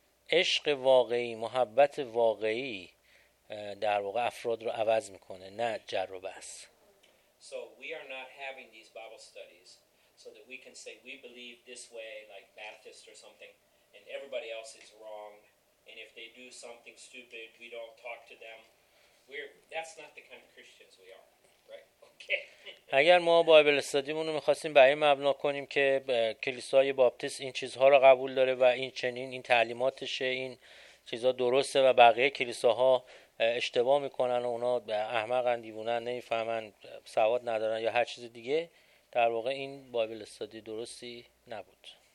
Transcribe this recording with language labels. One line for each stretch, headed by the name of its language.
Persian: عشق واقعی، محبت واقعی در واقع افراد رو عوض میکنه، نه جر و بس.
English: So we are not having these Bible studies so that we can say we believe this way like Baptist or something and everybody else is wrong and if they do something stupid we don't talk to them. That's not the kind of Christians we are, right? Okay.
Persian: اگر ما بایبل استادیمون رو می‌خواستیم بر این مبنا کنیم که کلیسای باپتیس این چیزها رو قبول داره و این چنین این تعلیماتشه، این چیزها درسته و بقیه کلیساها اشتباه میکنن و اونا احمقن، دیوونن، نمیفهمن، سواد ندارن یا هر چیز دیگه، در واقع این بایبل استادی درستی نبود.